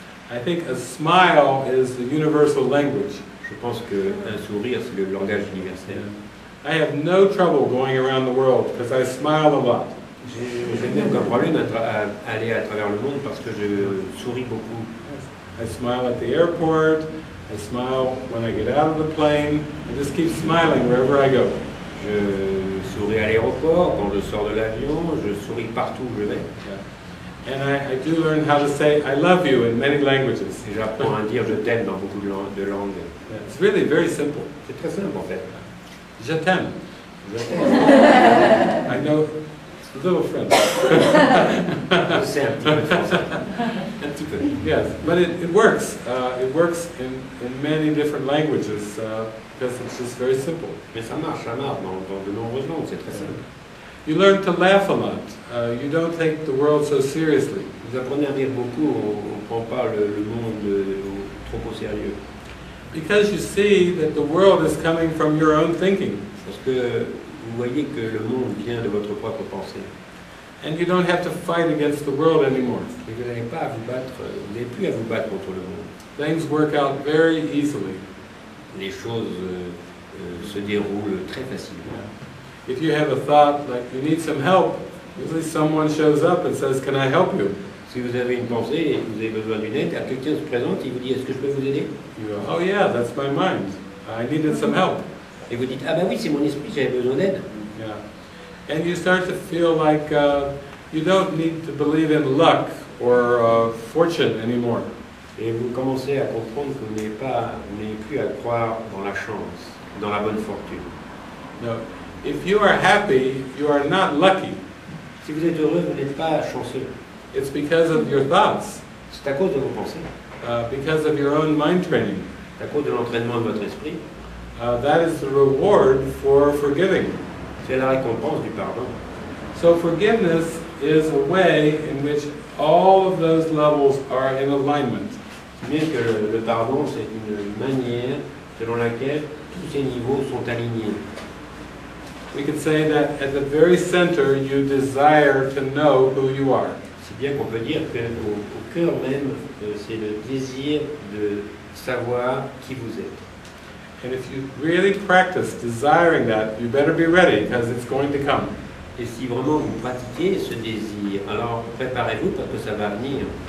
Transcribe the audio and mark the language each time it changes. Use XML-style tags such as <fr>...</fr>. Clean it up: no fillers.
<en>I think a smile is the universal language.</en> <fr>Je pense que un sourire c'est le langage universel.</fr> <en>Yeah. I have no trouble going around the world because I smile a lot.</en> <fr>J'ai aucun problème d'aller à travers le monde parce que je souris beaucoup.</fr> <en>I smile at the airport. I smile when I get out of the plane. I just keep smiling wherever I go.</en> <fr>Je souris à l'aéroport quand je sors de l'avion. Je souris partout où je vais.</fr> <en>And I do learn how to say I love you in many languages.</en> <fr>Et j'apprends à dire je t'aime dans beaucoup de langues.</fr> <en>Yeah, it's really very simple.</en> <fr>C'est très simple en fait. Je t'aime.</fr> <en>I know a little French.</en> <fr>Je sais un petit peu</fr> <en>français. Yes, but it works. It works in many different languages because it's just very simple.</en> <fr>Mais ça marche dans de nombreuses langues. C'est très simple.</fr> <en>You learn to laugh a lot. You don't take the world so seriously.</en> <fr>Vous apprenez à rire beaucoup. On ne prend pas le monde trop au sérieux.</fr> <en>Because you see that the world is coming from your own thinking.</en> <fr>Parce que vous voyez que le monde vient de votre propre pensée.</fr> <en>And you don't have to fight against the world anymore.</en> <fr>Et vous n'avez pas à vous battre. Vous n'avez plus à vous battre contre le monde.</fr> <en>Things work out very easily.</en> <fr>Les choses se déroulent très facilement. Yeah.</fr> <en>If you have a thought like you need some help, usually someone shows up and says, "Can I help you?"</en> <fr>Si vous avez une pensée et vous avez besoin d'une aide, quelqu'un se présente et vous dit, "Est-ce que je peux vous aider?"</fr> <en>You go, "Oh yeah, that's my mind. I needed some help."</en> <fr>Et vous dites, "Ah ben oui, c'est mon esprit, j'avais besoin d'aide."</fr> <en>Yeah. And you start to feel like you don't need to believe in luck or fortune anymore.</en> <fr>Et vous commencez à comprendre que vous n'avez plus à croire dans la chance, dans la bonne fortune.</fr> <en>No. If you are happy, you are not lucky.</en> <fr>Si vous êtes heureux, vous n'êtes pas chanceux.</fr> <en>It's because of your thoughts.</en> <fr>C'est à cause de vos pensées.</fr> <en>Because of your own mind training.</en> <fr>C'est à cause de l'entraînement de votre esprit.</fr> <en>That is the reward for forgiving.</en> <fr>C'est la récompense du pardon.</fr> <en>So forgiveness is a way in which all of those levels are in alignment.</en> <fr>C'est-à-dire que le pardon, c'est une manière selon laquelle tous ces niveaux sont alignés.</fr> <en>We could say that at the very center, you desire to know who you are.</en> <fr>C'est bien qu'on peut dire que au cœur même, c'est le désir de savoir qui vous êtes.</fr> <en>And if you really practice desiring that, you better be ready because it's going to come.</en> <fr>Et si vraiment vous pratiquez ce désir, alors préparez-vous parce que ça va venir.</fr>